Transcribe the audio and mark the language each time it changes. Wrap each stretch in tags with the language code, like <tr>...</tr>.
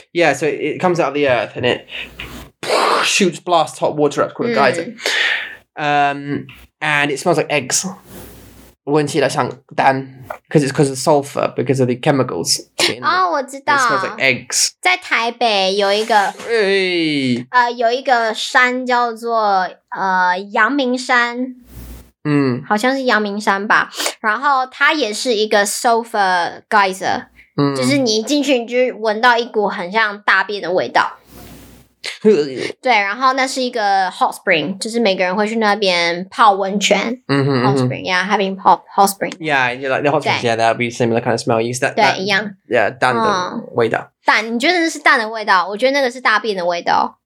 <en>Yeah, so it comes out of the earth and it shoots, blasts hot water up, called a geyser. And it smells like eggs.</en> <zh>闻起来像蛋,</zh> <en>because it's because of sulfur, because of the chemicals.</en> <zh>Oh, 我知道.</zh> <en>It smells like eggs.</en> <zh>在台北有一个, 有一个山叫做, 阳明山, 好像是阳明山吧, 然后它也是一个 sulfur geyser, 就是你一进去你就闻到一股很像大便的味道。对，然后那是一个 hot spring， 就是每个人会去那边泡温泉。</zh> <en>hot spring， yeah， having hot spring。 Yeah， you like the hot spring， yeah， that would be similar kind of smell， you that，</en> <zh>对，一样。 Yeah， 蛋的味道。蛋，你觉得那是蛋的味道？我觉得那个是大便的味道。</zh>